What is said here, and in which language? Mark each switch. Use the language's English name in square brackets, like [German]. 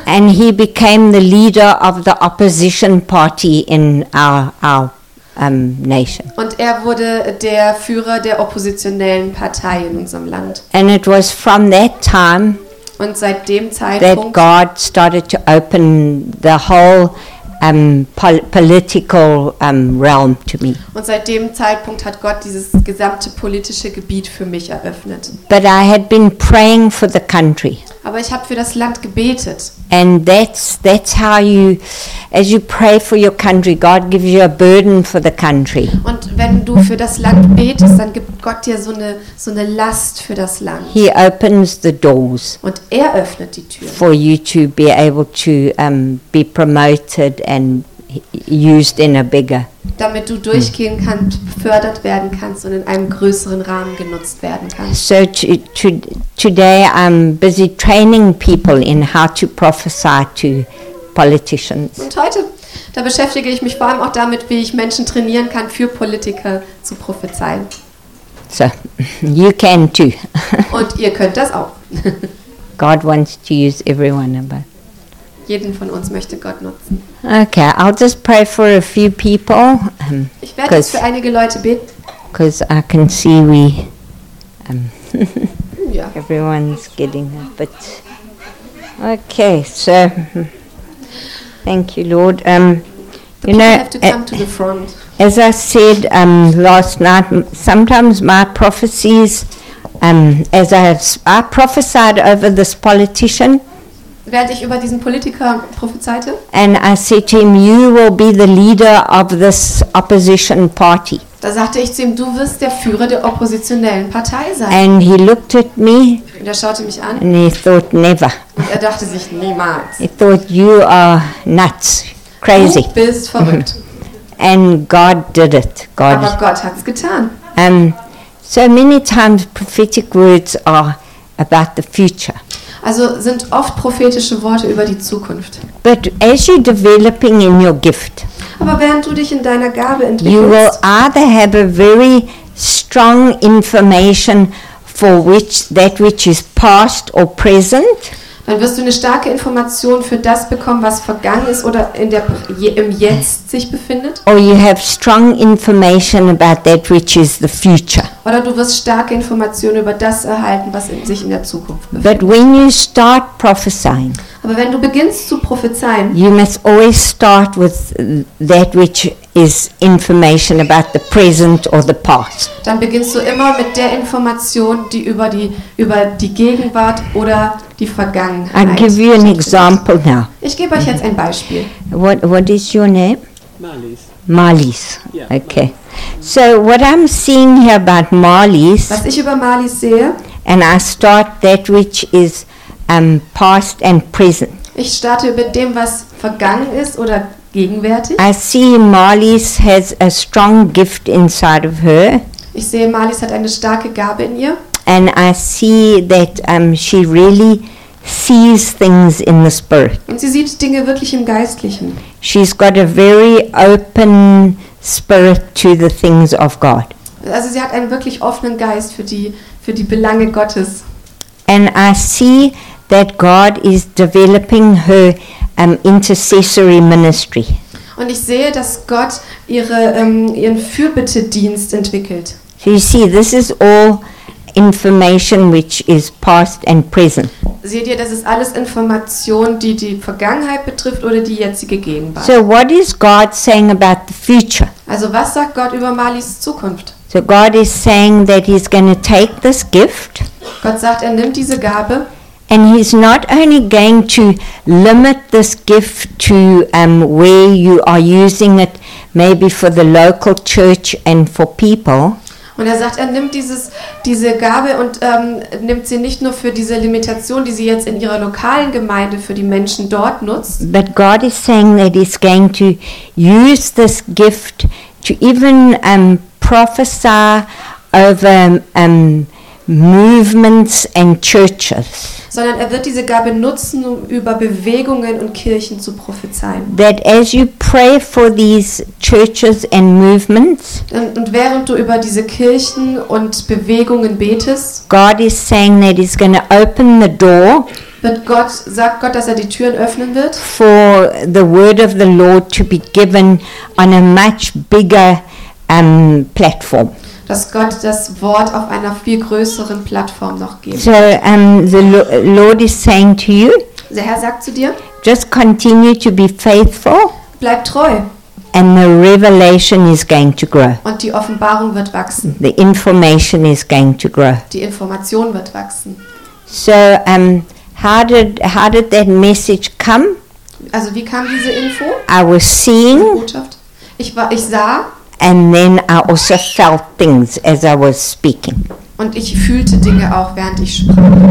[English] And he became the leader of the opposition party in our nation. [German] Und er wurde der Führer der oppositionellen Partei in unserem Land. [English] And it was from that time. [German] Und seit dem Zeitpunkt, [English] that God started to open the whole political realm to me. [German] Und seit dem Zeitpunkt hat Gott dieses gesamte politische Gebiet für mich eröffnet. [English] But I had been praying for the country. [German] Aber ich habe für das Land gebetet. [English] And that's how you, as you pray for your country, God gives you a burden for the country. [German] Und wenn du für das Land betest, dann gibt Gott dir so eine Last für das Land. [English] He opens the doors. [German] Und er öffnet die Türen. [English] For you to be able to be promoted and used in a bigger. [German] Damit du durchgehen kannst, befördert werden kannst und in einem größeren Rahmen genutzt werden kannst. [English] So today I'm busy training people in how to prophesy to politicians. [German] Und heute, da beschäftige ich mich vor allem auch damit, wie ich Menschen trainieren kann, für Politiker zu prophezeien. [English] So, you can too. [German] Und ihr könnt das auch. [English] God wants to use everyone, but [German] jeden von uns möchte Gott nutzen. [English] Okay, I'll just pray for a few people. [German] Ich werde jetzt für einige Leute beten. [English] Because I can see we yeah. Everyone's getting a bit. Okay, so thank you, Lord. The you know, have to come to the front. As I said last night, sometimes my prophecies, I prophesied over this politician. [German] Während ich über diesen Politiker prophezeite. [English] And I said to him, you will be the leader of this opposition party. [German] Da sagte ich zu ihm, du wirst der Führer der oppositionellen Partei sein. [English] And he looked at me. [German] Und er schaute mich an. [English] And he thought, never. [German] Und er dachte sich, niemals. [English] He thought, you are nuts, crazy. [German] Du bist verrückt. [English] And God did it. God. [German] Aber Gott hat's getan. [English] So many times prophetic words are about the future. [German] Also sind oft prophetische Worte über die Zukunft. [English] But as you're developing in your gift, [German] aber während du dich in deiner Gabe entwickelst, [English] you will either have a very strong information for which that which is past or present. [German] dann wirst du eine starke Information für das bekommen, was vergangen ist oder in der im Jetzt sich befindet. [English] Or you have strong information about that which is the future. [German] Oder du wirst starke Informationen über das erhalten, was in sich in der Zukunft befindet. [English] But when you start prophesying, [German] aber wenn du beginnst zu prophezeien, [English] you must always start with that which is information about the present or the past. [German] Dann beginnst du immer mit der Information, die über die Gegenwart oder die Vergangenheit. [English] I'll give you an example now. [German] Ich gebe euch jetzt ein Beispiel. [English] What is your name? Marlies. Yeah, okay. Marlies. So what I'm seeing here about Marlies. [German] Was ich über Marlies sehe. [English] And I start that which is past and present. [German] Ich starte mit dem, was vergangen ist oder gegenwärtig. [English] I see Marlies has a strong gift inside of her. [German] Ich sehe, Marlies hat eine starke Gabe in ihr. [English] And I see that she really sees things in the spirit. [German] Und sie sieht Dinge wirklich im Geistlichen. [English] She's got a very open spirit to the things of God. [German] Also sie hat einen wirklich offenen Geist für die Belange Gottes. [English] And I see that God is developing her intercessory ministry. [German] Und ich sehe, dass Gott ihren Fürbittedienst entwickelt. [English] So you see, this is all information which is past and present. [German] Seht ihr, das ist alles Information, die Vergangenheit betrifft oder die jetzige Gegenwart. [English] So what is God saying about the future? [German] Also was sagt Gott über Marlies Zukunft? [English] So God is saying that he's going to take this gift. [German] Gott sagt, er nimmt diese Gabe. [English] And he's not only going to limit this gift to where you are using it, maybe for the local church and for people. [German] Und er sagt, er nimmt diese Gabe und nimmt sie nicht nur für diese Limitation, die sie jetzt in ihrer lokalen Gemeinde für die Menschen dort nutzt. [English] But God is saying that he's going to use this gift to even prophesy over movements and churches. [German] Sondern er wird diese Gabe nutzen, um über Bewegungen und Kirchen zu prophezeien. [English] That as you pray for these churches and movements, [German] und während du über diese Kirchen und Bewegungen betest, [English] God is saying that he's going to open the door. [German] Wird Gott, sagt Gott, dass er die Türen öffnen wird? [English] For the word of the Lord to be given on a much bigger platform. [German] Dass Gott das Wort auf einer viel größeren Plattform noch gibt. [English] So, the Lord is saying to you. [German] Der Herr sagt zu dir. [English] Just continue to be faithful. [German] Bleib treu. [English] And the revelation is going to grow. [German] Und die Offenbarung wird wachsen. [English] The information is going to grow. [German] Die Information wird wachsen. [English] So, how did that message come? [German] Also wie kam diese Info? [English] I was seeing. [German] Die Botschaft. Ich sah. [English] And then I also felt things as I was speaking. [German] Und ich fühlte Dinge auch, während ich sprach.